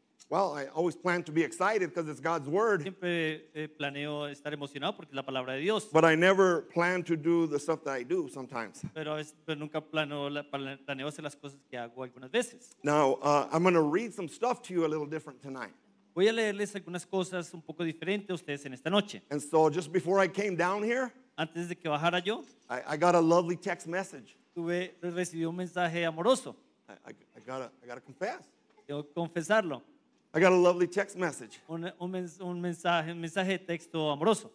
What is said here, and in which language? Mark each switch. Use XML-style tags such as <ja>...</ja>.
<en>Well, I always plan to be excited because it's God's word.</en> <es>Siempre planeo estar emocionado porque es la palabra de Dios.</es> <en>But I never plan to do the stuff that I do sometimes.</en> <es>Pero nunca planeo hacer las cosas que hago algunas veces.</es> <en>Now, I'm going to read some stuff to you a little different tonight.</en> <es>Voy a leerles algunas cosas un poco diferentes a ustedes en esta noche.</es> <en>And so just before I came down here,</en> <es>antes de que bajara yo,</es> <en>I got a lovely text message.</en> <es>Recibí un mensaje amoroso.</es> <en>I gotta confess.</en> <es>Tengo que confesarlo.</es> <en>I got a lovely text message.</en> <es>Un mensaje de texto amoroso.</es>